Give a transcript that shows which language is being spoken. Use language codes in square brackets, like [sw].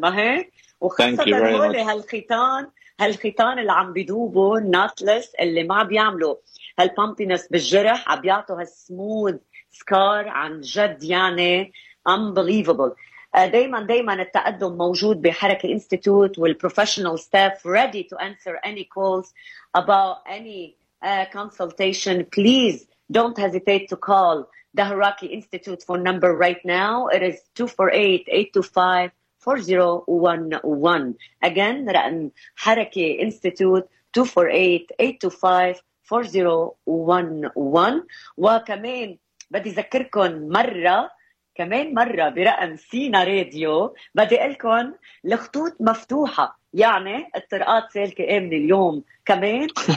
[ar] ما هي وخاصة هولي هالخيطان اللي عم بيدوبوا ناتلس اللي ما بيعملوا هالبامبينس بالجرح، عم بيعطوا هالسموث سكار عن جد، يعني unbelievable. [en] دايما التقدم موجود بحركة انستيتوت، والبروفيشنال staff ready to answer any calls about any consultation. Please don't hesitate to call the Hiraki Institute phone number right now. It is 248-825-4011. Again, رقم Hiraki Institute 248-825-4011. [ar] وكمان بدي ذكركم مرة كمان مرة برقم سينا راديو، بدي قلكم الخطوط مفتوحة، يعني الطرقات سالكة آمنة اليوم كمان.